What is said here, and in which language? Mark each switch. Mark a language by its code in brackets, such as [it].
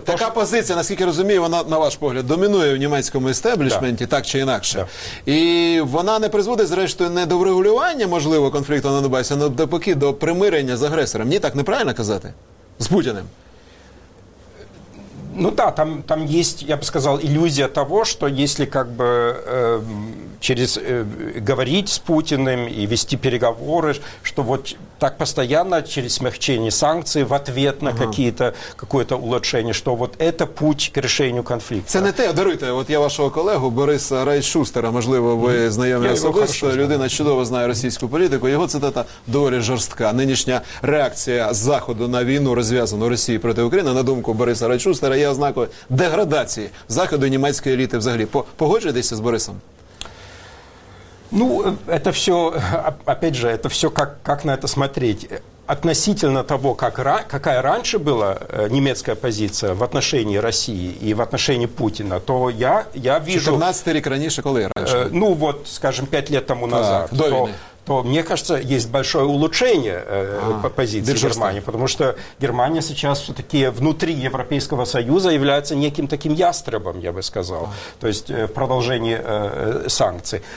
[uk] Така позиція, наскільки розумію, вона, на ваш погляд, домінує в німецькому естеблішменті, так чи інакше. Да. І вона не призводить, зрештою, не до врегулювання, можливо, конфлікту на Донбасі, а навпаки, до примирення з агресором. Ні, так неправильно казати? З Путіним? Ну так, да, там є, я б сказав, ілюзія того, що якщо, як би... [ru] через говорить с Путиным и вести переговоры, что вот так постоянно через смягчение санкций в ответ на какое-то улучшение, что вот это путь к решению конфликта. [uk] Це не те, даруйте, от я вашого колегу Бориса Райшустера, можливо, ви знайомі особисто, людина чудово знає російську політику, його цитата доволі жорстка. Нинішня реакція Заходу на війну, розв'язану Росії проти України, на думку Бориса Райшустера, є ознакою деградації Заходу і німецької еліти взагалі. Погоджуєтеся з Борисом? [ru] Ну, это все, опять же, это все как на это смотреть. Относительно того, какая раньше была немецкая позиция в отношении России и в отношении Путина, то я вижу... 14 лет раньше, когда раньше? Ну, вот, скажем, 5 лет тому назад. То, мне кажется, есть большое улучшение позиции Германии, потому что Германия сейчас все-таки внутри Европейского Союза является неким таким ястребом, я бы сказал, то есть в продолжении санкций.